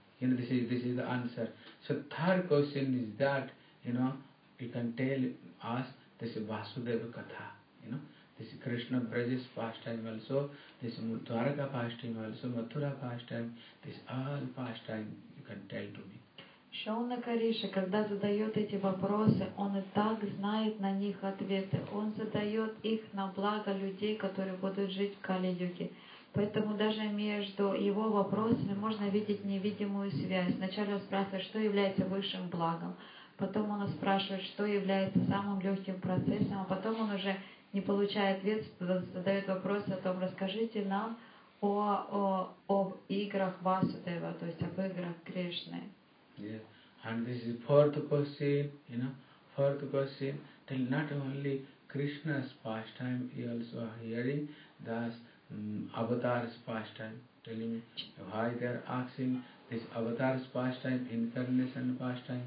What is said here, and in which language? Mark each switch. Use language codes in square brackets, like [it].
[en] You know, this is the answer. So third question is that, you know, you can tell us this is Vasudeva Katha, you know. This is Krishna Braja's pastime also, this is Dwaraka pastime also, Mathura pastime, this all pastime you can tell to me. [ru] Шауна Кариша, когда задает эти вопросы, он и так знает на них ответы. Он задает их на благо людей, которые будут жить в Кали-юге. Поэтому даже между его вопросами можно видеть невидимую связь. Сначала он спрашивает, что является высшим благом. Потом он спрашивает, что является самым легким процессом. А потом он уже, не получая ответ, задает вопрос о том, расскажите нам об играх Васудева, то есть об играх Кришны. [en] Yeah. And this is fourth question, you know, fourth question. Till not only Krishna's pastime, he also hearing, thus avatar's pastime, telling me why they are asking this avatar's pastime, incarnation pastime.